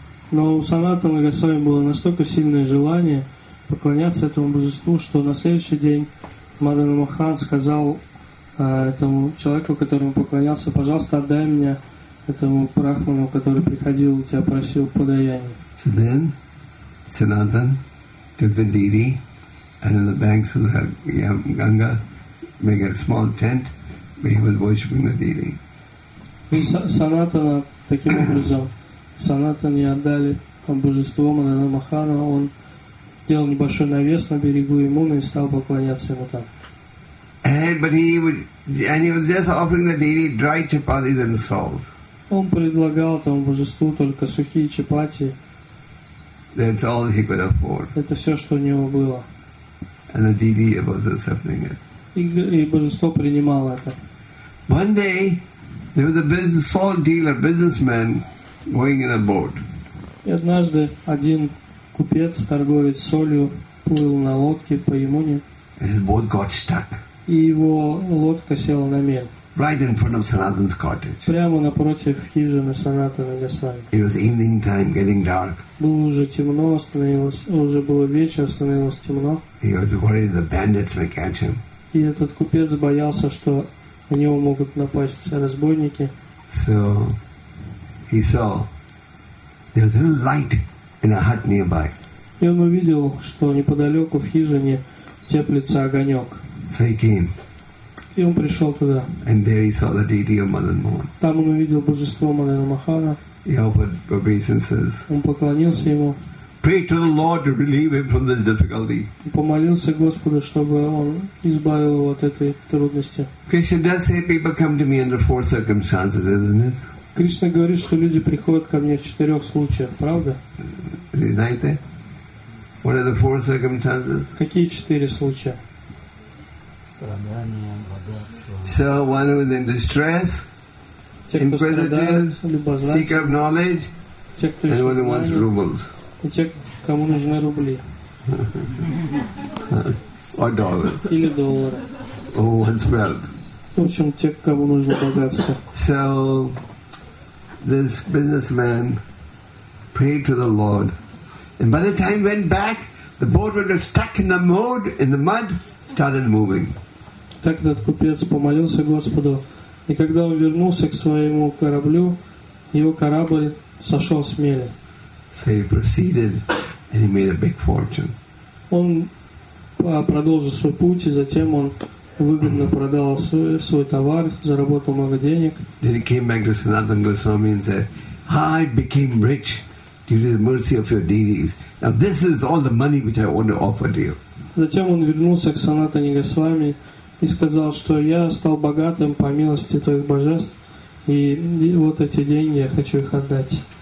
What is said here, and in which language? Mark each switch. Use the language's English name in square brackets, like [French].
[Russian] Но у Sanatana Goswami было настолько сильное желание поклоняться этому божеству, что на следующий день Мадана Махан сказал этому человеку, которому поклонялся, пожалуйста, отдай меня этому брахману, который приходил у тебя, просил подаяние. [English] So then, Sanatana took the deity and on the banks of the Ganga made a small tent where he was worshipping the deity. [Russian] И Sanatana таким образом, Sanatana отдали божество Мадана Махана, он сделал небольшой навес на берегу Ямуны и стал поклоняться ему там. [English] And he was just offering the deity dry chapatis and salt. [Russian] Он предлагал этому божеству только сухие чапати. [English] That's all he could afford. [Russian] Это все, что у него было. [English] And the deity was accepting it. [Russian] И божество принимало это. [English] One day there was a business salt dealer, businessman, going in a boat. [Russian] И однажды один купец, торговец солью, плыл на лодке по Ямуне. [English] His boat got stuck. [Russian] И его лодка села на мель. [English] Right in front of Sanatana's cottage. [Russian] Прямо напротив хижины Sanatana Goswami. [English] It was evening time, getting dark. [Russian] Было уже темно, становилось уже было вечер, становилось темно. [English] He was worried the bandits may catch him. [Russian] И этот купец боялся, что на него могут напасть разбойники. [English] So he saw there was a little light in a hut nearby. [Russian] И он увидел, что неподалеку в хижине теплится огонек. [English] So he came. [Russian] И он пришел туда. [English] And there he saw the deity of Madan Mohan. [Russian] Там он увидел божество Мадана Махана. [English] He offered obeisances. [Russian] Он поклонился ему. [English] Pray to the Lord to relieve him from this difficulty. [Russian] И помолился Господу, чтобы он избавил его от этой трудности. [English] Krishna does say people come to me under four circumstances, isn't it? [Russian] Кришна говорит, что люди приходят ко мне в четырех случаях, правда? Знаете? [English] What are the four circumstances? [Russian] Какие четыре случая? [English] So one who is in distress, inquisitive, seeker of knowledge, and one who wants rubles. [Russian] Кому нужны рубли? [English] Or dollars. [Russian] Или доллары. [English] Or one's wealth. [Russian] В общем, те, кому нужно богатство. [English] So this businessman prayed to the Lord, and by the time he went back, the boat was stuck in the mud, started moving. [Russian] Так этот купец помолился Господу, и когда он вернулся к своему кораблю, его корабль сошел с мели. [English] So he proceeded, and he made a big fortune. [Russian] Он продолжил свой путь, и затем он выгодно продал свой товар, заработал много денег. [English] Then he came back to Sanatana Goswami and said, "I became rich due to the mercy of your deities. Now this is all the money which I want to offer to you." [Russian] Затем он вернулся к Санатане Госвами и сказал, что я стал богатым по милости твоих божеств, и вот эти деньги я хочу их отдать.